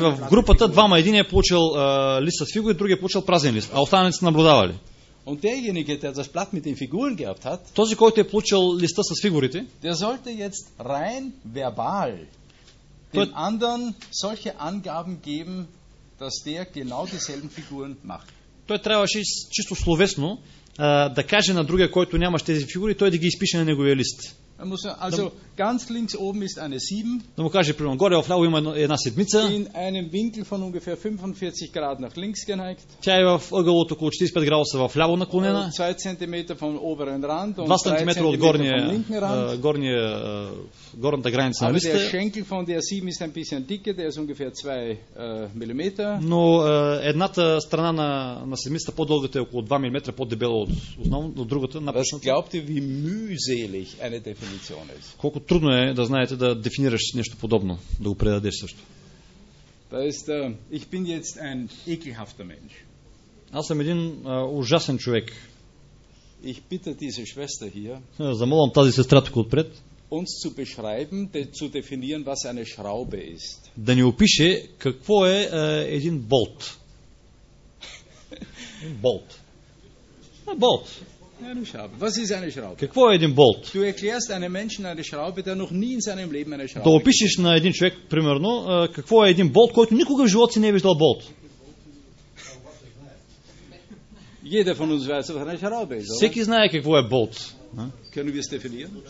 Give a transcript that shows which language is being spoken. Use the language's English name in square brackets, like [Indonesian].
[Bulgarian] в групата двама, един е получил лист с фигури, другият е получил празен лист, а останалите са наблюдавали. [German] Und derjenige, der das Blatt mit den Figuren gehabt hat, [Bulgarian] този, който е получил листа с фигурите, [German] der sollte jetzt rein verbal den anderen solche Angaben geben, dass der genau dieselben Figuren macht. [Bulgarian] Той трябваше чисто словесно да каже на другия, който нямаше тези фигури, той да ги изпише на неговия лист. [German] Also ganz links oben ist eine 7. [Bulgarian] Да му каже, примерно, горе в ляво има една седмица. [German] In einem Winkel von ungefähr 45 Grad nach links geneigt. [Bulgarian] Тя е в ъгъл от около 45 градуса в ляво наклонена. [German] 2 cm vom oberen Rand und 2 cm [Bulgarian] от горната граница на листа. [German] Aber der Schenkel von der 7 ist ein bisschen dicker, der ist ungefähr 2 mm. [Bulgarian] Но едната страна на седмицата по-дългата е около 2 мм по-дебела от основната, от другата напочната. [German] Was glaubt ihr, wie mühselig eine Definition ist? [Bulgarian] Колко трудно е да знаете да дефинираш нещо подобно, да го предадеш също. [German] Da ist, ich bin jetzt ein ekelhafter Mensch. [Bulgarian] Аз съм един ужасен човек. [German] Ich bitte diese Schwester hier, [Bulgarian] замолвам тази сестра тук отпред, [German] uns zu beschreiben, zu definieren, was eine Schraube ist. [Bulgarian] Да ни опише какво е един болт. Болт. Болт. [German] Was ist eine Schraube? [Bulgarian] Какво е един болт? [German] Du erklärst einem Menschen eine Schraube, der noch nie in seinem Leben eine Schraube. [Bulgarian] Да опишеш на един човек примерно какво е един болт, който никога в живота си не е виждал болт. [German] Jeder von uns weiß, was eine Schraube ist. [Bulgarian] Всеки знае какво е болт. [German] Können wir es definieren?